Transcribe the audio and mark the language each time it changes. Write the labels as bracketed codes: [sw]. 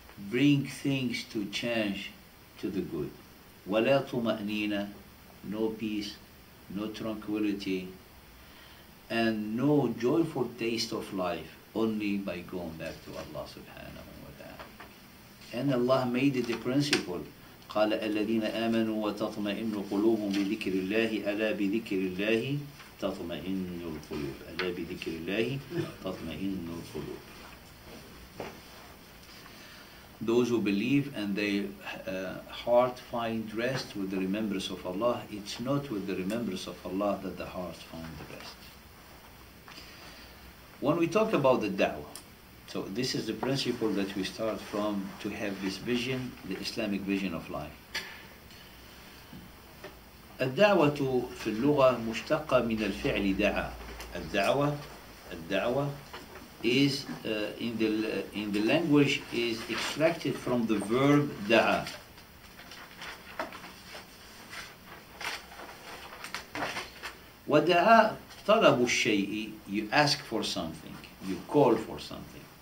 [en] Bring things to change to the good. [ar] ولا طمأنينة, [en] no peace, no tranquility, and no joyful taste of life, only by going back to Allah subhanahu wa ta'ala. And Allah made it the principle. [ar] قال الذين آمنوا وتطمئن قلوبهم بذكر الله ألا بذكر الله تطمئن القلوب ألا بذكر الله تطمئن القلوب. [en] Those who believe and their heart find rest with the remembrance of Allah, it's not with the remembrance of Allah that the heart find the rest. When we talk about the da'wah, so this is the principle that we start from, to have this vision, the Islamic vision of life. [ar] الدعوة في اللغة مشتقة من الفعل دعا. [en] الدعوة is in the language is extracted from the verb دعا. [ar] ودعا طلب الشيء, [en] you ask for something, you call for something.